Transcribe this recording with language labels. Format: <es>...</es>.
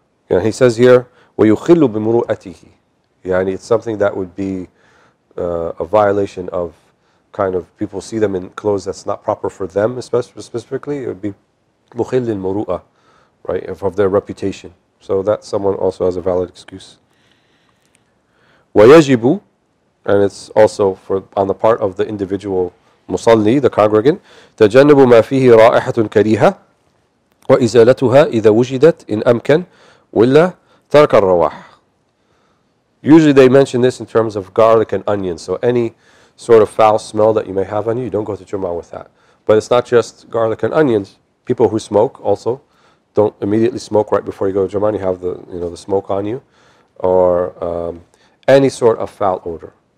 <en>You know, he says here,</en> <ar>وَيُخِلُّ بِمُرُوءَتِهِ.</ar> <en>Yani it's something that would be a violation of kind of people see them in clothes that's not proper for them, especially specifically it would be</en> <ar>مُخِلِّ الْمُرُوءَةِ,</ar> <en>right, of their reputation. So that someone also has a valid excuse.</en> <ar>وَيَجِبُ,</ar> <en>and it's also for on the part of the individual</en> <ar>مُصَلِّي,</ar> <en>the congregant,</en> <ar>تَجَنَّبُ مَا فِيهِ رَائِحَةٌ كَرِيهَةٌ وَإِزَالَتُهَا إِذَا وُجِدَتْ إِنْ أَمْكَنْ وَإِلَّا تَرْكَ الرَّوَاحِ.</ar> <en>Usually they mention this in terms of garlic and onions. So any sort of foul smell that you may have on you, you don't go to Jumu'ah with that. But it's not just garlic and onions. People who smoke also, don't immediately smoke right before you go to Jumu'ah. You have the smoke on you. Or any sort of foul odor.</en>